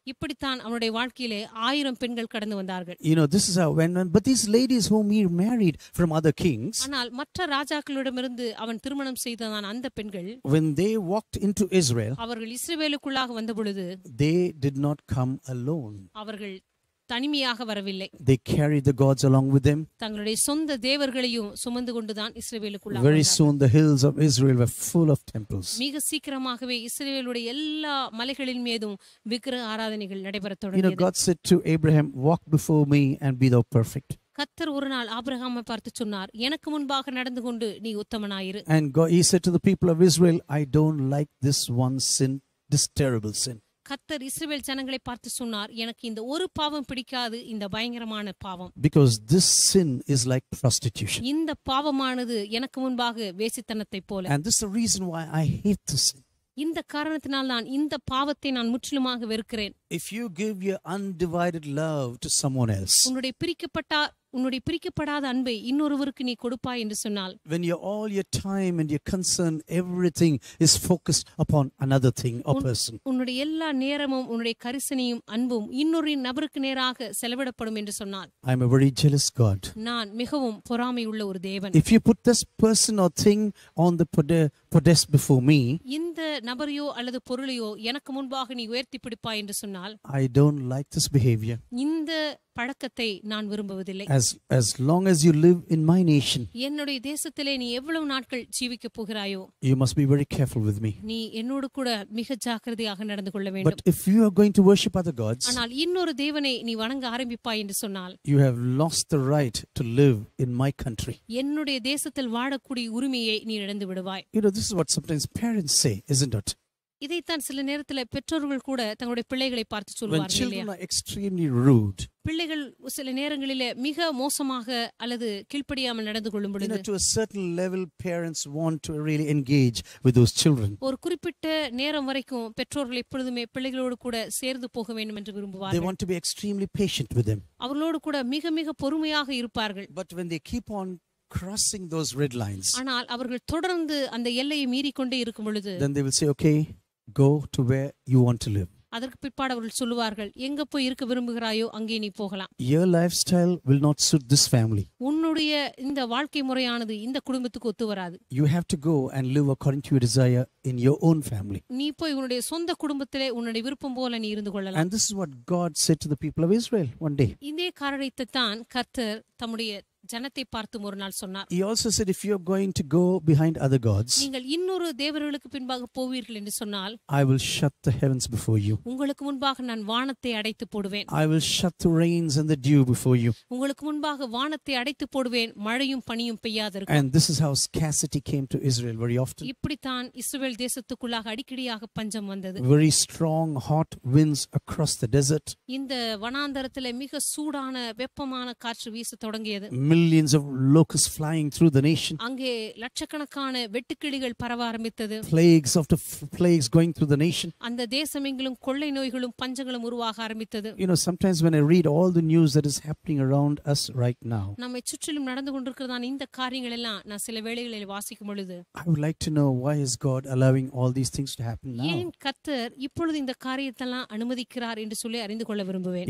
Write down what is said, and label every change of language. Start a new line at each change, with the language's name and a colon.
Tamil: இப்படி தான் அவருடைய வாழ்க்கையிலே 1000 பெண்கள் கடந்து வந்தார்கள்.
English: You know, this is how when but these ladies whom he married from other kings.
Tamil: ஆனால் மற்ற ராஜாக்களிடமிருந்து அவன் திருமணம் செய்ததான அந்த பெண்கள்,
English: when they walked into Israel,
Tamil: அவர்கள் இஸ்ரவேலுக்குள்ளாக வந்தபொழுது,
English: they did not come alone.
Tamil: அவர்கள் தனிமையாக வரவில்லை.
English: They carried the gods along with them.
Tamil: தங்களுடைய சொந்த தேவர்களையும் சுமந்து கொண்டுதான் இஸ்ரவேலுக்குள்ள.
English: Very soon the hills of Israel were full of temples.
Tamil: மிக சீக்கிரமாகவே இஸ்ரவேலுடைய எல்லா மலைகளின் மீதும் விக்கிரக ஆராதனைகள் நடைபெற தொடங்கியது.
English: You know, God said to Abraham, walk before me and be thou perfect.
Tamil: கர்த்தர் ஒரு நாள் ஆபிரகாமை பார்த்து சொன்னார், எனக்கு முன்பாக நடந்து கொண்டு நீ உத்தமனாயிரு.
English: And God, he said to the people of Israel, I don't like this one sin, this terrible sin.
Tamil: கர்த்தர் இஸ்ரவேல் ஜனங்களை பார்த்து சொன்னார், எனக்கு இந்த ஒரு பாவம் பிடிக்காது, இந்த பயங்கரமான பாவம்.
English: Because this sin is like prostitution.
Tamil: இந்த பாவமானது எனக்கு முன்பாக வேசித்தனத்தை போல.
English: And this is the reason why I hate this sin.
Tamil: இந்த காரணத்தினால் தான் இந்த பாவத்தை நான் முற்றிலுமாக வெறுக்கிறேன்.
English: If you give your undivided love to someone else.
Tamil: உன்னுடைய பிரிக்கப்படாத அன்பை இன்னொருவருக்கு நீ கொடுப்பாய் என்று சொன்னால்.
English: When all your time and your concern, everything is focused upon another thing or person.
Tamil: உன்னுடைய எல்லா நேரமும் உன்னுடைய கரிசனையும் அன்பும் இன்னொரு நபருக்கு நேராக செலவிடப்படும் என்று சொன்னால்.
English: I am a very jealous God.
Tamil: நான் மிகவும் பொறாமை உள்ள ஒரு தேவன்.
English: If you put this person or thing on the podest before me.
Tamil: இந்த நபரையோ அல்லது பொருளையோ எனக்கு முன்பாக நீ உயர்த்தி பிடிப்பாய் என்று சொன்னால்.
English: I don't like this behavior.
Tamil: இந்த பழக்கத்தை நான் விரும்புவதில்லை.
English: As long as you live in my nation.
Tamil: என்னுடைய தேசத்திலே நீ எவ்வளவு நாட்கள் ஜீவிக்க போகிறாயோ.
English: You must be very careful with me.
Tamil: நீ என்னோடு கூட மிக ஜாக்கிரதையாக நடந்து கொள்ள வேண்டும்.
English: But if you are going to worship other gods.
Tamil: ஆனால் இன்னொரு தேவனை நீ வணங்க ஆரம்பிப்பாய் என்று சொன்னால்.
English: You have lost the right to live in my country.
Tamil: என்னுடைய தேசத்தில் வாழக்கூடிய உரிமையை நீ இழந்து விடுவாய்.
English: You know, this is what sometimes parents say, isn't it?
Tamil: இதைத்தான் சில நேரத்துல பெற்றோர்கள் கூட தங்களுடைய பிள்ளைகளை பார்த்து சொல்வார்கள். பிள்ளைகள் சில நேரங்களில மிக மோசமாக அல்லது கீழ்ப்படியாமல் நடந்து கொள்ளும் பொழுது,
English: to a certain level parents want to really engage with those children.
Tamil: ஒரு குறிப்பிட்ட நேரம் வரைக்கும் பெற்றோர்கள் எப்பொழுதுமே பிள்ளைகளோடு கூட சேர்ந்து போக வேண்டும் என்று விரும்புவார்கள்.
English: They want to be extremely patient with them.
Tamil: அவர்களோடு கூட மிக மிக பொறுமையாக இருப்பார்கள்.
English: But when they keep on crossing those red lines.
Tamil: ஆனால் அவர்கள் தொடர்ந்து அந்த எல்லையை மீறி கொண்டே இருக்கும் பொழுது,
English: then they will say, okay, go to where you want to live.
Tamil: அதற்கு பிற்பாடு அவர்கள் சொல்லுவார்கள், எங்க போய் இருக்க விரும்புகிறாயோ அங்கே நீ போகலாம்.
English: Your lifestyle will not suit this family.
Tamil: உன்னுடைய இந்த வாழ்க்கை முறையானது இந்த குடும்பத்துக்கு ஒத்து வராது.
English: You have to go and live according to your desire in your own family.
Tamil: நீ போய் உன்னுடைய சொந்த குடும்பத்திலே உன்னுடைய விருப்பம் போல நீ இருந்து கொள்ளலாம்.
English: And this is what God said to the people of Israel one day.
Tamil: இதே காரணத்தை தான் கர்த்தர் தம்முடைய ஜனத்தை பார்த்து ஒரு நாள் சொன்னார்.
English: He also said if you are going to go behind other gods.
Tamil: நீங்கள் இன்னொரு தேவர்களுக்கு பின்பாக போவீர்கள் என்று சொன்னால்
English: I will shut the heavens before you.
Tamil: உங்களுக்கு முன்பாக நான் வானத்தை அடைத்து போடுவேன்.
English: I will shut the rains and the dew before you.
Tamil: உங்களுக்கு முன்பாக வானத்தை அடைத்து போடுவேன் மழையும் பனியும் பெய்யாதிருக்கும்.
English: And this is how scarcity came to Israel very often.
Tamil: இப்படி தான் இஸ்ரவேல் தேசத்துக்குள்ளாக அடிக்கடியாக பஞ்சம் வந்தது.
English: Very strong hot winds across the desert.
Tamil: இந்த வனாந்தரத்திலே மிக சூடான வெப்பமான காற்று வீச தொடங்கியது.
English: Millions of locusts flying through the nation.
Tamil: அங்கே லட்சக்கணக்கான வெட்டுக்கிளிகள் பரவ ஆரம்பித்தது.
English: Plagues after plagues going through the nation.
Tamil: அந்த தேசமெங்கிலும் கொள்ளை நோய்களும் பஞ்சங்களும் உருவாக ஆரம்பித்தது.
English: You know, sometimes when I read all the news that is happening around us right now.
Tamil: நம்மை சுற்றிலும் நடந்து கொண்டிருக்கிறதான இந்த காரியங்கள் எல்லாம் நான் சில வேளைகளில் வாசிக்கும் பொழுது
English: I would like to know why is God allowing all these things to happen now.
Tamil: ஏன் கர்த்தர் இப்பொழுது இந்த காரியத்தெல்லாம் அனுமதிக்கிறார் என்று சொல்லி அறிந்து கொள்ள விரும்புவேன்.